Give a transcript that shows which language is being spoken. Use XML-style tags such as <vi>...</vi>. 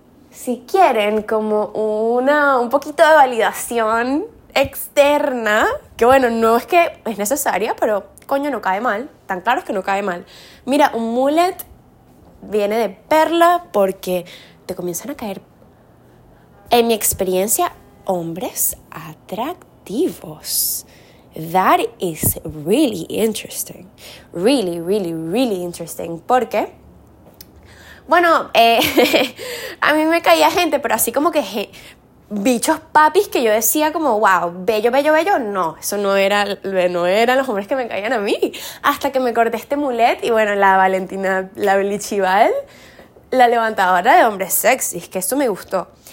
<es>Si quieren como un poquito de validación externa, que bueno, no es que es necesaria, pero coño, no cae mal. Tan claro es que no cae mal. Mira, un mullet viene de perla porque te comienzan a caer, en mi experiencia, hombres atractivos.</es> <en>That is really interesting. Really, really, really interesting.</en> <es>Porque, bueno, a mí me caía gente, pero así como que bichos papis que yo decía como wow, bello, bello, bello. No, eso no eran los hombres que me caían a mí. Hasta que me corté este mulet y bueno, la Valentina, la Blichival, la levantadora de hombres sexys, que eso me gustó.</es>